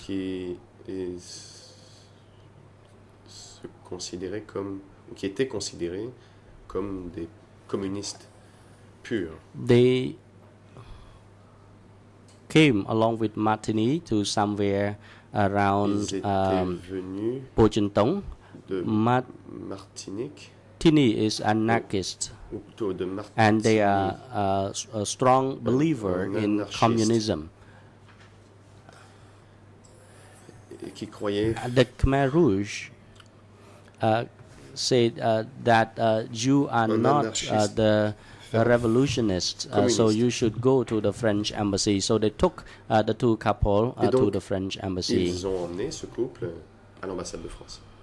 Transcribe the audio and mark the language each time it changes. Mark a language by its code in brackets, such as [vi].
[fr] Qui se considérait comme, qui était considéré comme des communistes purs. [en] They came along with Martini to somewhere around Pochentong. Martini is anarchist, and they are a strong believer in communism. The Khmer Rouge said that you are not the revolutionists, so you should go to the French embassy. So they took the two couple to the French embassy. [fr] Ils ont emmené ce couple à l'ambassade de France.